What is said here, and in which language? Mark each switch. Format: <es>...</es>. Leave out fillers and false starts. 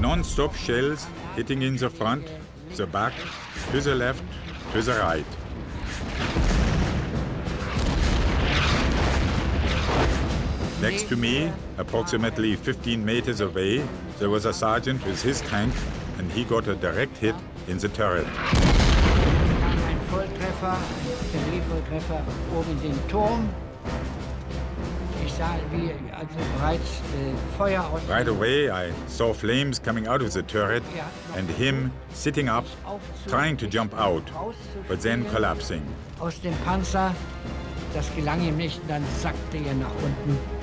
<en>Non-stop shells hitting in the front, the back, to the left, to the right. Next to me, approximately 15 meters away, there was a sergeant with his tank, and he got a direct hit in the turret.</en> <de>Ein Volltreffer, ein Volltreffer oben in den Turm. Ich sah wie also bereits Feuer aus.</de> <en>Right away, I saw flames coming out of the turret and him sitting up, trying to jump out, but then collapsing.</en> <de>Aus dem Panzer, das gelang ihm nicht, dann sackte er nach unten.</de>